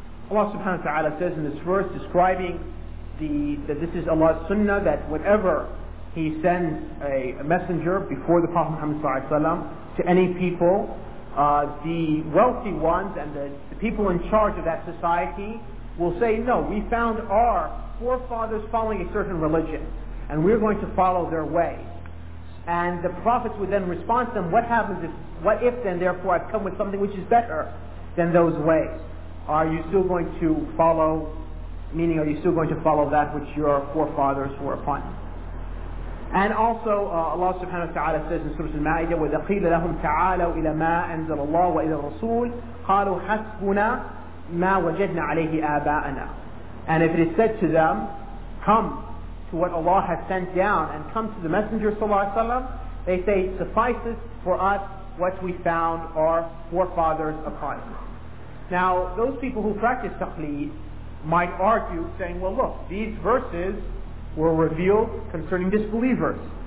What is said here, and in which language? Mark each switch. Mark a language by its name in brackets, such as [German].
[English] Allah subhanahu wa ta'ala says in this verse, describing that this is Allah's sunnah, that whenever He sends a messenger before the Prophet Muhammad sallallahu alayhi wa sallam to any people, the wealthy ones and the people in charge of that society will say, no, we found our forefathers following a certain religion, and we're going to follow their way. And the prophets would then respond to them, what if then, therefore, I've come with something which is better than those ways? Are you still going to follow, meaning are you still going to follow that which your forefathers were upon? And also Allah subhanahu wa ta'ala says in Surah Al-Ma'idah, [Arabic] وَإِذَا قِيلَ لَهُمْ تَعَالَوْا إِلَى مَا أَنزَلَ اللَّهُ وَإِلَى الرَّسُولِ قَالُوا حَسْبُنَا مَا وَجَدْنَا عَلَيْهِ آبَاءَنَا. [English] And if it is said to them, come to what Allah has sent down and come to the Messenger sallallahu alayhi wa sallam, they say, suffices for us what we found our forefathers upon. Now, those people who practice taqleed might argue, saying, well, look, these verses were revealed concerning disbelievers.